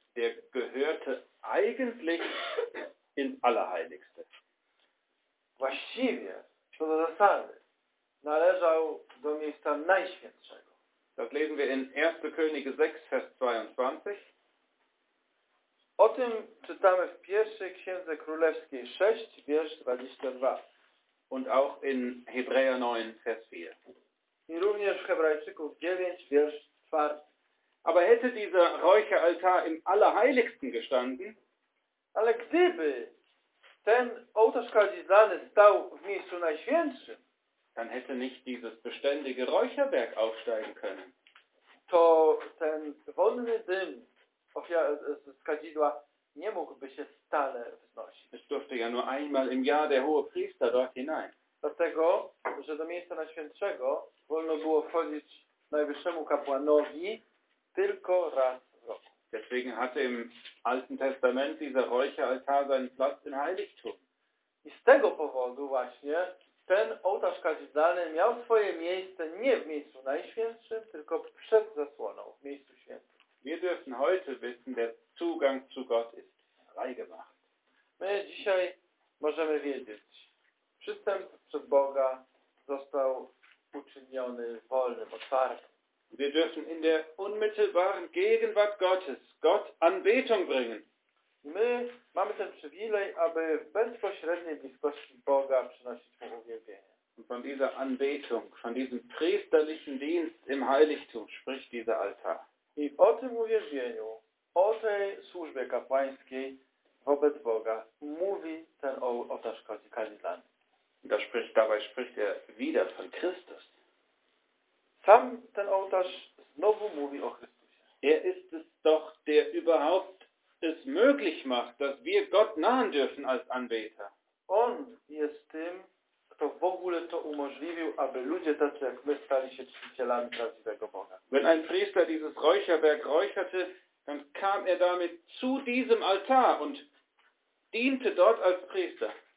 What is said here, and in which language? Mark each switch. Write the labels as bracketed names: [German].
[German] der gehörte eigentlich ins Allerheiligste. [Polish] Właściwie, co do zasady, należał do miejsca najświętszego. [German] Das lesen wir in 1. Könige 6, Vers 22. [Polish] O tym czytamy w 1. Księdze Królewskiej 6, [German] Vers 22. Und auch in Hebräer 9, Vers 4. [Polish] I również w Hebrajczyków 9, [German] Vers 4. Aber hätte dieser Räucheraltar im Allerheiligsten gestanden, [Polish] ale gdyby ten ołtarz kadzidlany stał w miejscu najświętszym, [German] dann hätte nicht dieses beständige Räucherwerk aufsteigen können. [Polish] To ten wonny dym z kadzidła nie mógłby się stale wznosić. [German] Es durfte ja nur einmal im Jahr der hohe Priester dort hinein. [Polish] Dlatego, że do miejsca najświętszego wolno było wchodzić najwyższemu kapłanowi tylko raz w roku. [German] Deswegen hatte im Alten Testament dieser Räucheraltar seinen Platz im Heiligtum. [Polish] I z tego powodu właśnie ten ołtarz kadzidlany miał swoje miejsce nie w miejscu najświętszym, tylko przed zasłoną, w miejscu świętym. [German] Wir dürfen heute wissen, der Zugang zu Gott ist freigemacht. [Polish] My dzisiaj możemy wiedzieć, przystęp przed Boga został uczyniony wolnym, otwartym. [German] Wir dürfen in der unmittelbaren Gegenwart Gottes Gott Anbetung bringen. [Polish] My mamy ten przywilej, aby w bezpośredniej bliskości Boga przynosić mu uwielbienie. [German] Und von dieser Anbetung, von diesem priesterlichen Dienst im Heiligtum spricht dieser Altar. [Polish] I o tym uwielbieniu, o tej służbie kapłańskiej wobec Boga mówi ten ołtarz kadzidlany. [German] Dabei spricht er wieder von Christus. [Polish] Sam ten ołtarz znowu mówi o Chrystusie. [German] Er ist es doch, der überhaupt es möglich macht, dass wir Gott nahen dürfen als Anbeter. [Polish] On jest tym, kto w ogóle to umożliwił, aby ludzie tacy jak my stali się czcicielami prawdziwego Boga. [German] Wenn ein Priester dieses Räucherwerk räucherte, dann kam er damit zu diesem Altar und diente dort als Priester.